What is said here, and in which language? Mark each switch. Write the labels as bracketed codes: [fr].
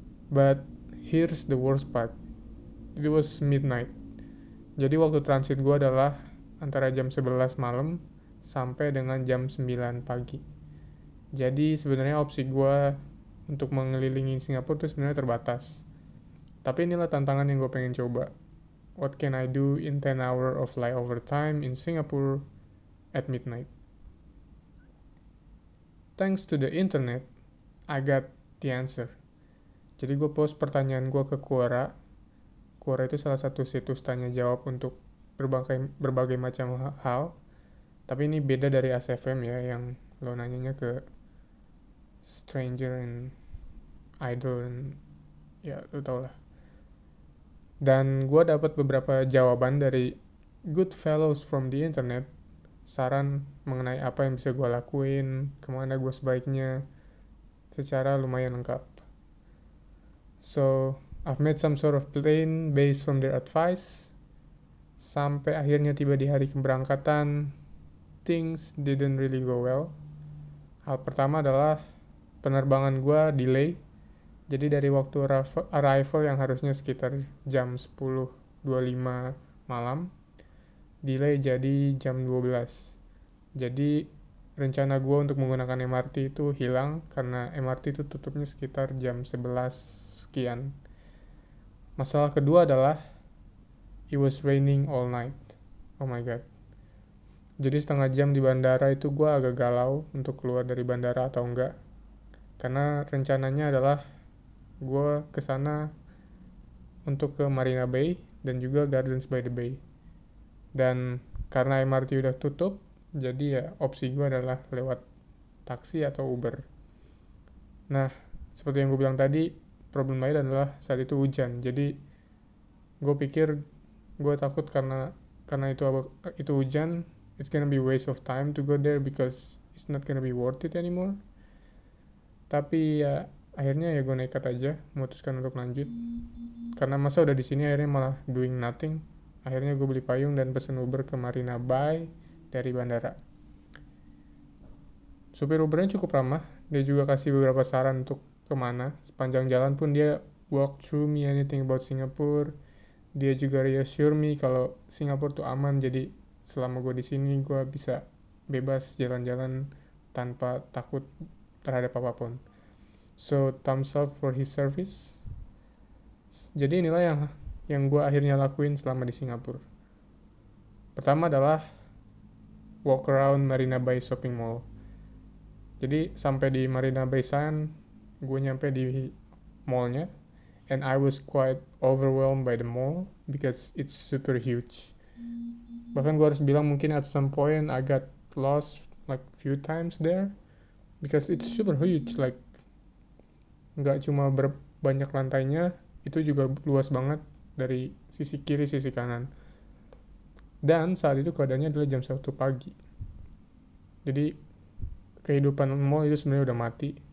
[en] But here's the worst part. It was midnight. [id] Jadi waktu transit gue adalah antara jam 11 malam sampai dengan jam 9 pagi. Jadi sebenarnya opsi gue untuk mengelilingi Singapura itu sebenarnya terbatas. Tapi inilah tantangan yang gue pengen coba. [en] What can I do in 10 hours of layover time in Singapore at midnight? Thanks to the internet, I got the answer. [id] Jadi gue post pertanyaan gue ke Quora. Quora itu salah satu situs tanya jawab untuk berbagai macam hal. Tapi ini beda dari ASFM ya, yang lo nanyanya ke stranger and idol and ya lo tau lah. Dan gue dapat beberapa jawaban dari good fellows from the internet. Saran mengenai apa yang bisa gue lakuin, kemana gue sebaiknya, secara lumayan lengkap. [en] So, I've made some sort of plan based from their advice. [id] Sampai akhirnya tiba di hari keberangkatan, things didn't really go well. Hal pertama adalah penerbangan gue delay. Jadi dari waktu arrival yang harusnya sekitar jam 10.25 malam, delay jadi jam 12. Jadi rencana gue untuk menggunakan MRT itu hilang karena MRT itu tutupnya sekitar jam 11 sekian. [en] Masalah kedua adalah it was raining all night. Oh my god. [id] Jadi setengah jam di bandara itu gue agak galau untuk keluar dari bandara atau enggak. Karena rencananya adalah gue kesana untuk ke Marina Bay dan juga Gardens by the Bay. Dan karena MRT udah tutup, jadi ya opsi gue adalah lewat taksi atau Uber. Nah, seperti yang gue bilang tadi, problem lain adalah saat itu hujan. [en] Jadi gue pikir gue takut karena itu hujan, it's gonna be waste of time to go there because it's not gonna be worth it anymore. [id] Tapi ya akhirnya ya gue nekat aja, memutuskan untuk lanjut. Karena masa udah di sini akhirnya malah doing nothing. Akhirnya gue beli payung dan pesen Uber ke Marina Bay dari bandara. Supir Ubernya cukup ramah. Dia juga kasih beberapa saran untuk kemana. Sepanjang jalan pun dia walk through me anything about Singapore. Dia juga reassure me kalau Singapore tuh aman. Jadi selama gue di sini gue bisa bebas jalan-jalan tanpa takut terhadap apapun. So, thumbs up for his service. Jadi inilah yang gue akhirnya lakuin selama di Singapura. Pertama adalah walk around Marina Bay Shopping Mall. [en] Jadi sampai di Marina Bay Sand, gue nyampe di mallnya, and I was quite overwhelmed by the mall because it's super huge. Bahkan gue harus bilang mungkin at some point I got lost like few times there because it's super huge. [id] Like nggak cuma banyak lantainya, itu juga luas banget. Dari sisi kiri, sisi kanan. Dan saat itu keadaannya adalah jam 1 pagi. Jadi kehidupan mall itu sebenarnya udah mati.